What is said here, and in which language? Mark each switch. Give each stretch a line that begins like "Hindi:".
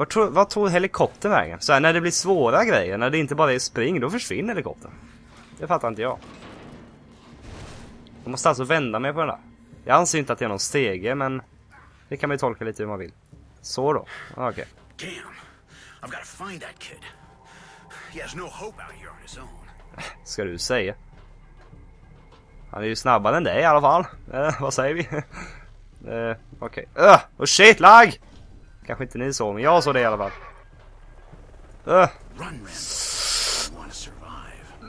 Swedish: Vad tog helikoptern vägen? Så här, när det blir svåra grejer, när det inte bara är spring, då försvinner helikoptern. Det fattar inte jag. Jag måste alltså vända mig på den där. Jag anser inte att det är någon stege, men det kan man ju tolka lite hur man vill. Så då. Okej.
English: Okay. Damn. I've got to find that kid. He has no hope out here on his own.
Swedish: Ska du säga? Han är ju snabbare än dig i alla fall. Vad säger vi? Okej.
English: Okay. Oh shit, lag.
Swedish: Kanske inte ni såg, men jag såg det i alla fall.
English: Run, Randall. You want to survive.